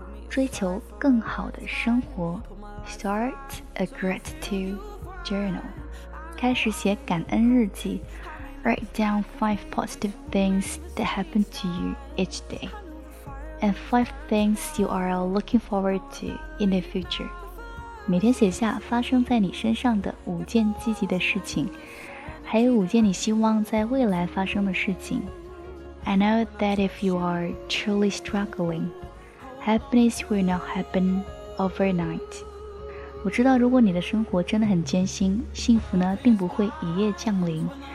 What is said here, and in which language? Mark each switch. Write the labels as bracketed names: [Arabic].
[Chinese] 追求更好的生活。 Start a gratitude journal. 开始写感恩日记。 [English] Write down 5 positive things that happen to you each day. And 5 things you are looking forward to in the future. [Chinese] 每天写下发生在你身上的五件积极的事情，还有五件你希望在未来发生的事情。 [English] I know that if you are truly struggling, happiness will not happen overnight. [Chinese] 我知道如果你的生活真的很艰辛，幸福呢并不会一夜降临。